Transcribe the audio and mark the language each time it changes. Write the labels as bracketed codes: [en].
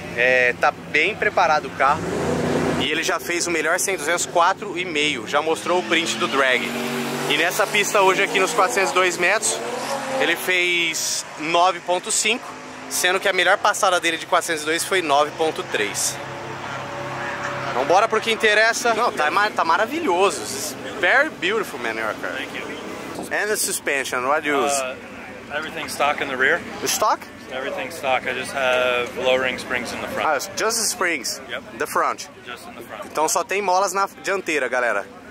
[pt] É, tá bem preparado o carro. E ele já fez o melhor 100-200 4,5. Já mostrou o print do drag. E nessa pista hoje aqui nos 402 metros... ele fez 9,5, sendo que a melhor passada dele de 402 foi 9,3. Então bora pro que interessa. Não, tá maravilhoso. [en] It's very beautiful, man, your car. Thank you. And the suspension, what do you use? Everything stock in the rear. The stock? Everything stock. I just have lowering springs in the front. Ah, just the springs. Yep. The front. Just in the front. [pt] Então só tem molas na dianteira, galera.